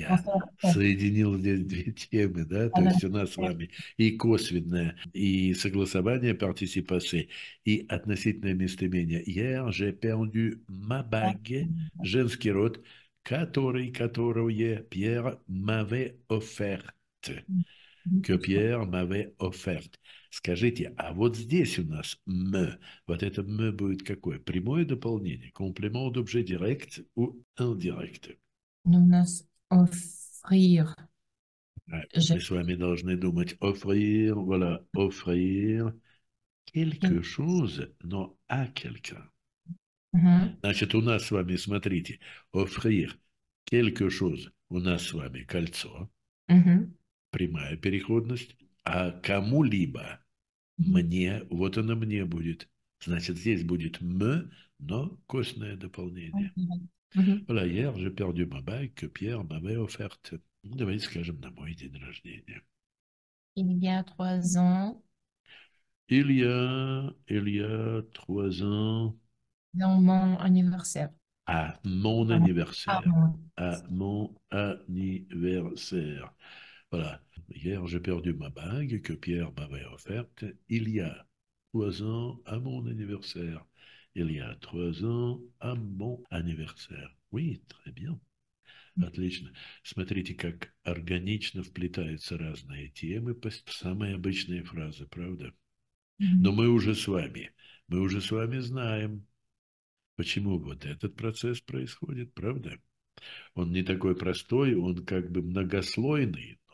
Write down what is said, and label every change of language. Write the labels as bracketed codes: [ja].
[ru] Я соединил здесь две темы, да, то есть у нас с вами и косвенное, и согласование participe, и относительное местоимение. [fr] Hier, j'ai perdu ma bague, [ru] женский род, которого я, [fr] Пьер, m'avait offerte. Que Pierre m'avait offerte. [ru] Скажите, а вот здесь у нас «me». Вот это «me» будет какое? Прямое дополнение? [fr] Комплимент d'objet direct ou indirect? [ru] Нас offrir. Мы с вами должны думать [fr] «offrir», voilà, «offrir quelque chose, но à quelqu'un». [ru] Значит, у нас с вами, смотрите, «offrir quelque chose», у нас с вами кольцо, прямая переходность, а кому-либо мне, вот оно мне будет. Значит, здесь будет «me», но косвенное дополнение. [fr] Voilà, hier, j'ai perdu ma bague que Pierre m'avait offerte. [ru] Давайте скажем на мой день рождения. [fr] Il y a 3 ans, Il y a 3 ans dans mon anniversaire. à mon Voilà. anniversaire. À mon anniversaire. Voilà. Hier, j'ai perdu ma bague que Pierre m'avait offerte. Il y a 3 ans à mon anniversaire. Il y a 3 ans à mon anniversaire. Oui, très bien. [ru] Отлично. Смотрите, как органично вплетаются разные темы, самые обычные фразы, правда? Но мы уже с вами знаем, почему вот этот процесс происходит, правда? Он не такой простой, он как бы многослойный.